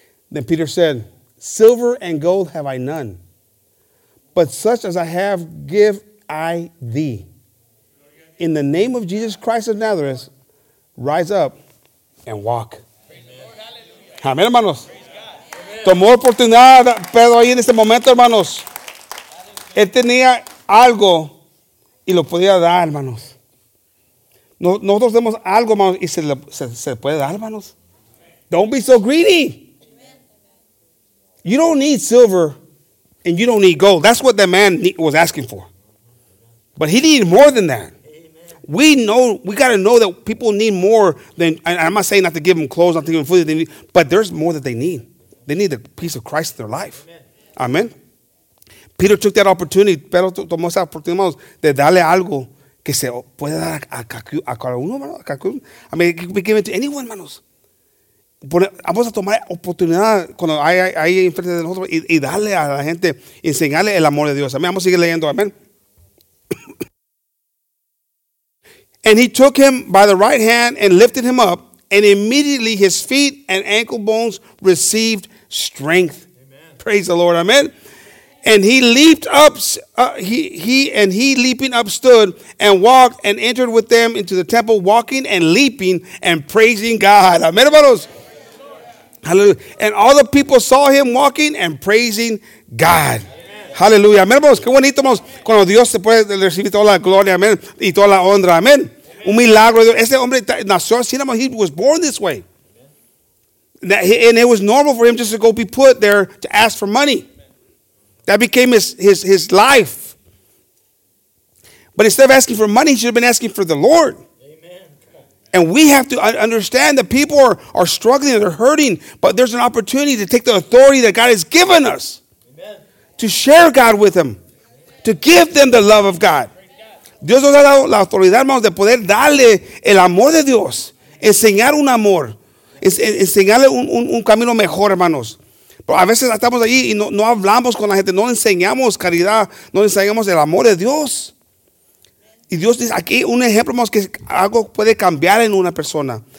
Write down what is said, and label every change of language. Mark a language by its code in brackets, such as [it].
[en] Then Peter said, silver and gold have I none, but such as I have give I thee. In the name of Jesus Christ of Nazareth, rise up and walk. Amen, amen, hermanos. [es] Tomó oportunidad, Pedro, ahí en este momento, hermanos. Él tenía algo y lo podía dar, hermanos. Nosotros tenemos algo, hermanos, y se puede dar, hermanos. [en] Don't be so greedy. You don't need silver and you don't need gold. That's what the man was asking for. But he needed more than that. We know, we got to know that people need more than, and I'm not saying not to give them clothes, not to give them food, they need, but there's more that they need. They need the peace of Christ in their life. Amen. Amen. Peter took that opportunity, [es] Pedro tomó esa oportunidad de darle algo que se puede dar a cada uno, hermano. [en] I mean, it could be given to anyone, hermanos. [es] Vamos a tomar oportunidad cuando hay ahí enfrente de nosotros y darle a la gente, enseñarle el amor de Dios. Amén. Vamos a seguir leyendo. Amén. [en] And he took him by the right hand and lifted him up, and immediately his feet and ankle bones received strength. Amen. Praise the Lord. Amen. And he leaped up, he leaping up stood and walked and entered with them into the temple, walking and leaping and praising God. Amen, hermanos. Hallelujah. And all the people saw him walking and praising God. [es] Hallelujah. Amén, hermanos. Qué bonito, hermanos. Cuando Dios se puede recibir toda la gloria, amén, y toda la honra, amén. Un milagro. Ese hombre nació así, hermanos. [en] He was born this way. And it was normal for him just to go be put there to ask for money. That became his life. But instead of asking for money, he should have been asking for the Lord. And we have to understand that people are struggling, they're hurting, but there's an opportunity to take the authority that God has given us. To share God with them. To give them the love of God. [es] Dios nos ha dado la autoridad, hermanos, de poder darle el amor de Dios. Enseñar un amor. Enseñarle un camino mejor, hermanos. Pero a veces estamos ahí y no hablamos con la gente. No enseñamos caridad. No enseñamos el amor de Dios. Y Dios dice, aquí un ejemplo, hermanos, que algo puede cambiar en una persona.